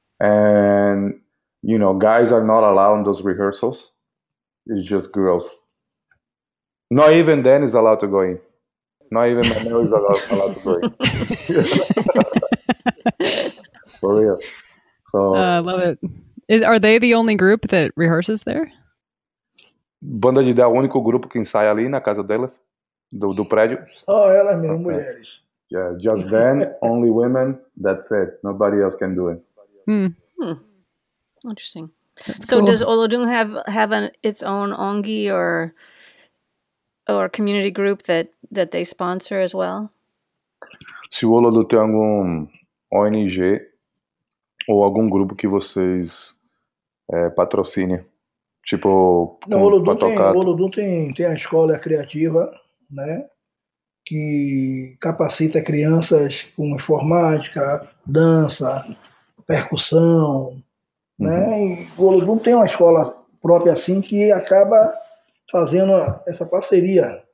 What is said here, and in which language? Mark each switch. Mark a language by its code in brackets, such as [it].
[en] And, you know, guys are not allowed in those rehearsals. It's just girls. Not even Dan is allowed to go in. Not even Manuel is allowed to go in. For real. So, I love it. Are they the only group that rehearses there? [pt] Banda de Dá é o único grupo que ensaia ali na casa delas, do prédio. Só elas mesmo, okay, mulheres. [en] Yeah, just then, only women, that's it. Nobody else can do it. Hmm. Interesting. So cool. Does Olodum have its own ONGI or community group that they sponsor as well? [pt] Se o Olodum tem algum ONG ou algum grupo que vocês patrocinem, tipo, Olodum tem a escola criativa, né, que capacita crianças com informática, dança, percussão, uhum, né, e Olodum tem uma escola própria assim que acaba fazendo essa parceria.